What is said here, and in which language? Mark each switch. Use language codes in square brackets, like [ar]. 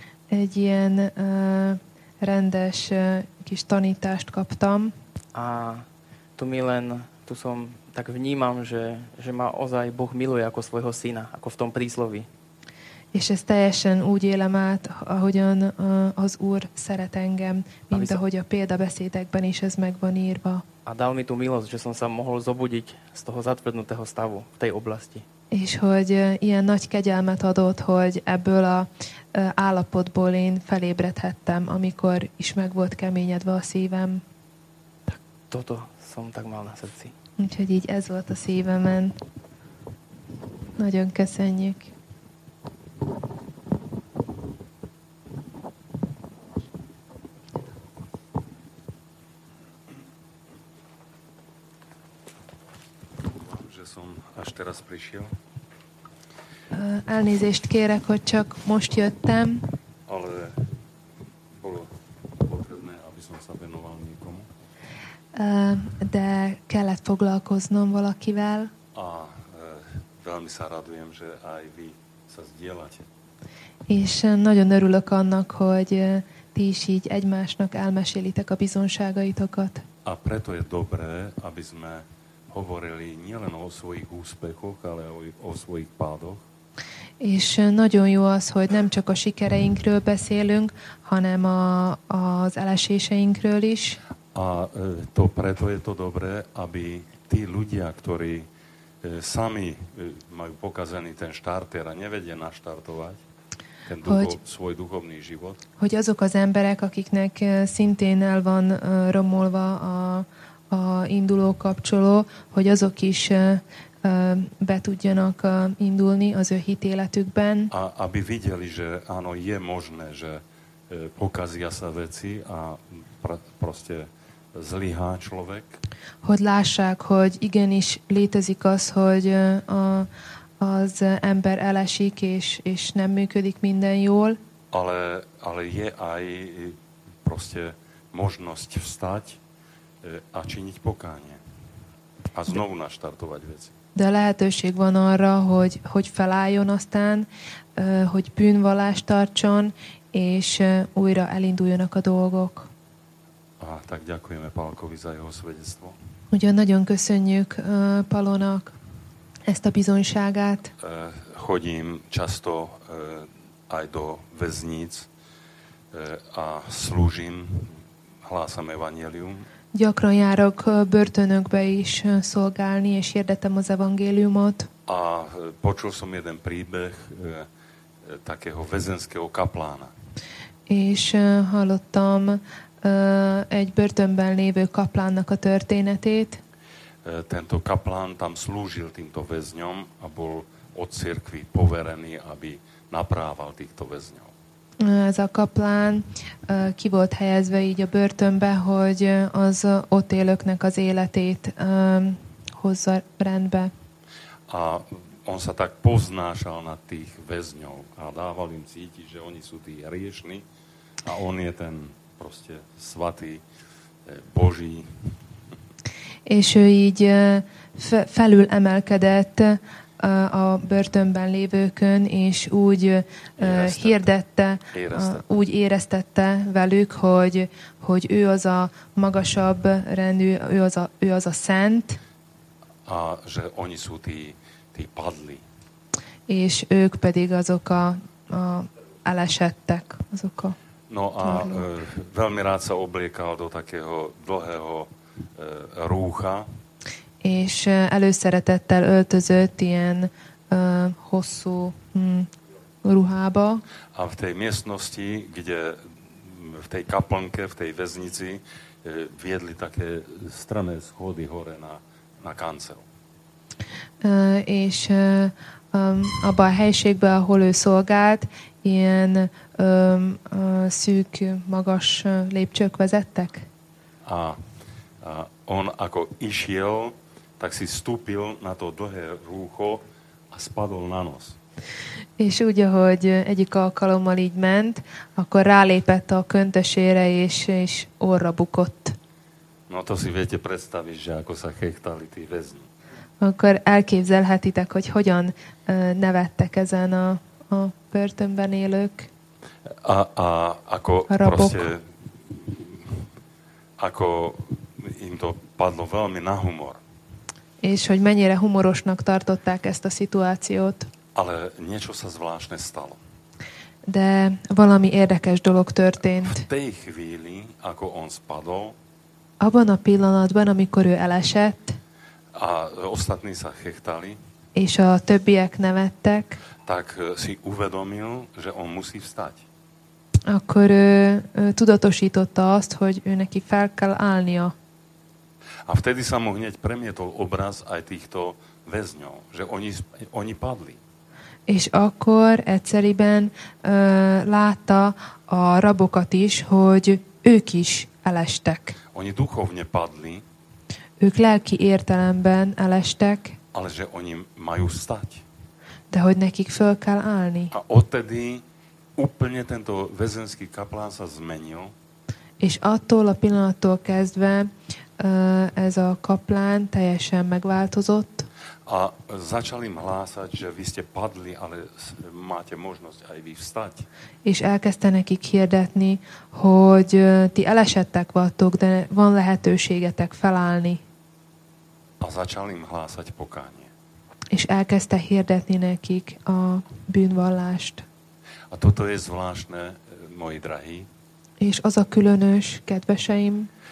[hu] Egy ilyen rendes kis tanítást kaptam. [sk] A tu som tak vnímam, že ma ozaj Boh miluje ako svojho syna, ako v tom prísloví. [hu] És ezt teljesen úgy élem át, ahogyan az Úr szeret engem, mint ahogy a példabeszédekben is ez meg van írva. [sk] A dal mi tú milosť, že som sa mohol zobudiť z toho zatvrdnutého stavu v tej oblasti. [hu] És hogy ilyen nagy kegyelmet adott, hogy ebből a állapotból én felébredhettem, amikor is meg volt keményedve a szívem. [sk] Tak toto som tak mal na srdci. [hu] Úgyhogy így ez volt a szívemen. Nagyon köszönjük. [sk] Že som až teraz prišiel. [hu] Elnézést kérek, hogy csak most jöttem. [sk] Ale bolo potrebné, aby som sa venoval niekomu. [hu] De kellett foglalkoznom valakivel. [sk] A veľmi sa radujem, že aj vy sa zdieľate. [hu] És nagyon örülök annak, hogy ti is így egymásnak elmesélitek a bizonságaitokat. [sk] A preto je dobré, aby sme hovorili nielen o svojich úspechoch, ale o svojich pádoch. [hu] És nagyon jó az, hogy nem csak a sikereinkről beszélünk, hanem az eleséseinkről is. [sk] A to preto je to dobré, aby tí ľudia, ktorí sami majú pokazený ten štarter a nevedia naštartovať ten svoj duchovný život. [hu] Hogy azok az emberek, akiknek szintén el van romolva a induló kapcsoló, hogy azok is be tudjanak indulni az ő hitéletükben. [sk] A aby videli, že áno, je možné, že pokazia sa veci a proste zlyhá človek. [hu] Hogy lássák, hogy igenis létezik az, hogy az ember elesik, és nem működik minden jól. [sk] ale je aj proste možnosť vstať a činiť pokánie. A znovu naštartovať veci. [hu] De lehetőség van arra, hogy felálljon aztán, hogy bűnvallást tartson, és újra elinduljanak a dolgok. [sk] Tak ďakujeme Pálkovi za jeho svedectvo. [hu] Ugyan nagyon köszönjük Palónak ezt a bizonyságát. [sk] Chodím často aj do väznic a slúžim, hlásam evanjelium. [hu] Gyakran járok börtönökbe is szolgálni, és hirdetem az evangéliumot. [sk] A počul som jeden príbeh takého väzenského kaplána. [hu] És hallottam egy börtönben lévő kaplánnak a történetét. [sk] Tento kaplán tam slúžil týmto väzňom a bol od cirkvi poverený, aby naprával týchto väzňov. [hu] Ez a kaplán ki volt helyezve így a börtönbe, hogy az ott élőknek az életét hozza rendbe. [sk] A on sa tak poznášal nad tých väzňov a dával im cítiť, že oni sú tí riešni a on je ten proste svatý, boží. [hu] És ő így felül emelkedett a börtönben lévőkön, és úgy hirdette, úgy éreztette velük, hogy ő az a magasabb rendű, ő az a szent. [sk] A že oni sú tí padli. [hu] És ők pedig azok a elesettek, azok a [sk] No a veľmi rád sa obliekal do takého dlhého rúcha, [hu] és előszeretettel öltözött ilyen hosszú ruhába. [sk] A v tej miestnosti, kde v tej kaplnke, v tej väznici viedli také strané schody hore na kancel. [hu] És abban a helységben, ahol ő szolgált, ilyen szűk, magas lépcsők vezettek? [sk] A on ako išiel, tak si stúpil na to dlhé rúcho a spadol na nos. [hu] És úgy, ahogy egyik alkalommal így ment, akkor rálépett a köntösére, és orra bukott. [sk] No to si viete predstaviť, že ako sa chechtali tí väzni. [hu] Akkor elképzelhetitek, hogy hogyan nevettek ezen a börtönben élők. [sk] A ako rabok. Proste, ako im to padlo veľmi na humor. [hu] És hogy mennyire humorosnak tartották ezt a szituációt. [sk] Ale niečo sa zvláštne stalo. [hu] De valami érdekes dolog történt. [sk] V tej chvíli, ako on spadol, [hu] abban a pillanatban, amikor ő elesett, [sk] a ostatní sa chechtali, [hu] és a többiek nevettek, [sk] tak si uvedomil, že on musí vstať. [hu] Akkor tudatosította azt, hogy ő neki fel kell állnia. [sk] A vtedy sa mu hneď premietol obraz aj týchto väzňov, že oni padli. [hu] És akkor egyszeriben látta a rabokat is, hogy ők is elestek. [sk] Oni duchovne padli. [hu] Ők lelki értelemben elestek. [sk] Ale že oni majú stať. [hu] De hogy nekik föl kell állni. [sk] A odtedy úplne tento väzenský kaplán sa zmenil. [hu] És attól a pillanattól kezdve ez a kaplán teljesen megváltozott. [sk] A začal im hlásať, že vy ste padli, ale máte možnosť aj vy vstať. [hu] És elkezdte nekik hirdetni, hogy ti elesettek vagytok, de van lehetőségetek felállni. [sk] A začal im hlásať pokánie. [hu] És elkezdte hirdetni nekik a bűnvallást. [sk] A toto je zvláštne, moji drahí. [hu] És az a különös, kedveseim,